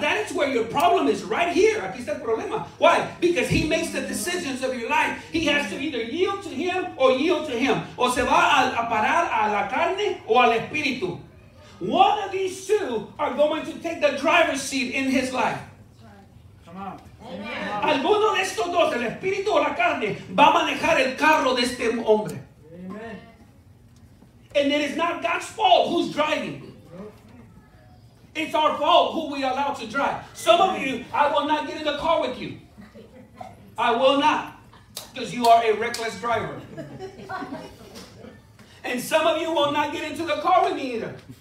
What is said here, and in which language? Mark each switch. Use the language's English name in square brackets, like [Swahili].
[English] That is where your problem is, right here. [Spanish] Aquí está el problema. [English] Why? Because he makes the decisions of your life. He has to either yield to him or yield to him. [Spanish] O se va a parar a la carne o al espíritu. [English] One of these two are going to take the driver's seat in his life. Come on. Amen. [Spanish] Alguno de estos dos, el espíritu o la carne, va a manejar el carro de este hombre. [English] Amen. And it is not God's fault who's driving. It's our fault who we allow to drive. Some Amen. Of you, I will not get in the car with you. I will not, because you are a reckless driver. And some of you will not get into the car with me either.